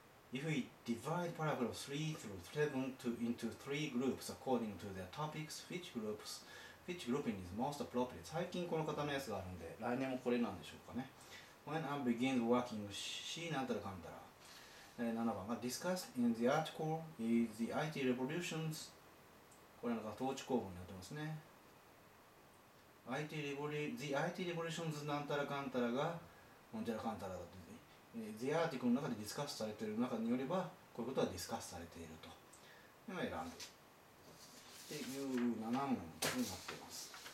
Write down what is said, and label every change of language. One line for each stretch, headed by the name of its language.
English: If we divide paragraphs 3 through 7 to, into 3 groups according to their topics, which grouping is most appropriate?
Japanese: 最近この方のやつがあるんで、来年もこれなんでしょうかね。
English: When I begin working, she
Japanese: なんたらかんたら。 7番が
English: discussed in the article is the IT revolutions.
Japanese: これなんか統治構文になってますね。IT revolutions なんたらかんたらが、なんちゃらかんたらだと。 The article の中でディスカスされている中によれば、こういうことはディスカスされていると。今選んで。っていう7問になっています。